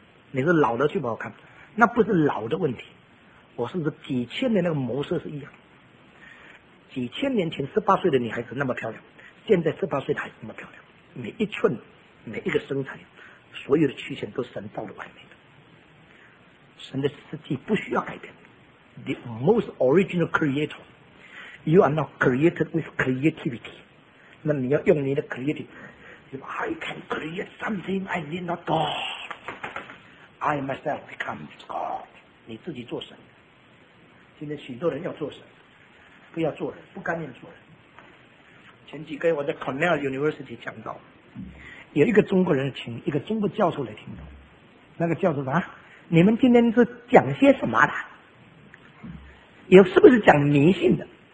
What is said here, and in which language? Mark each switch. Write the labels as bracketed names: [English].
[Chinese] 你说老的去不好看，那不是老的问题，我是说几千年那个模式是一样，几千年前十八岁的女孩子那么漂亮，现在十八岁的还是那么漂亮，每一寸每一个身材所有的曲线都神造的完美的，神的设计不需要改变。 [English] The most original creator, you are not created with creativity, [Chinese] 那你要用你的 [English] creativity, if I can create something I need not God, I myself becomes God, [Chinese] 你自己做神。今天许多人要做神，不要做人，不甘愿做人。前几个月我在 Cornell University 讲到，有一个中国人请一个中国教授来听到，那个教授说，你们今天是讲些什么的，有是不是讲迷信的？